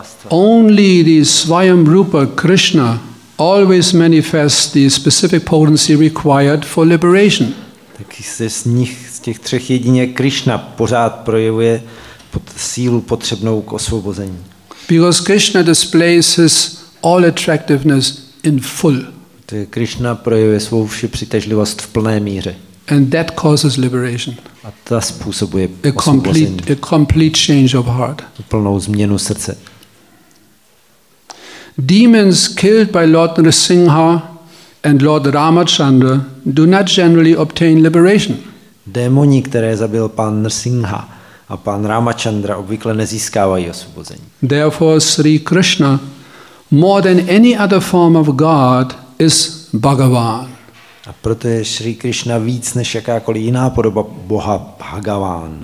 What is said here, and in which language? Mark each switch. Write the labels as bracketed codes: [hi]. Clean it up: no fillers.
[en] Only the Svayamrupa Krishna always manifests the specific potency required for liberation. [cs] Tak se z nich, z těch třech jedině Krishna pořád projevuje sílu potřebnou k osvobození. [en] Because Krishna displays his all attractiveness in full. [cs] Krishna projevuje svou vši přitažlivost v plné míře. [en] And that causes liberation. [cs] A to způsobuje osvobození. [en] A complete change of heart. [cs] Plnou změnu srdce. [en] Demons killed by Lord Nrsingha and Lord Ramachandra do not generally obtain liberation. [cs] Démoni, které zabil pán Nrsingha a pán Ramachandra, obvykle nezískávají osvobození. [en] Therefore Sri Krishna more than any other form of God is Bhagavan. [cs] A proto je Sri Krishna víc než jakákoliv jiná podoba Boha Bhagavan.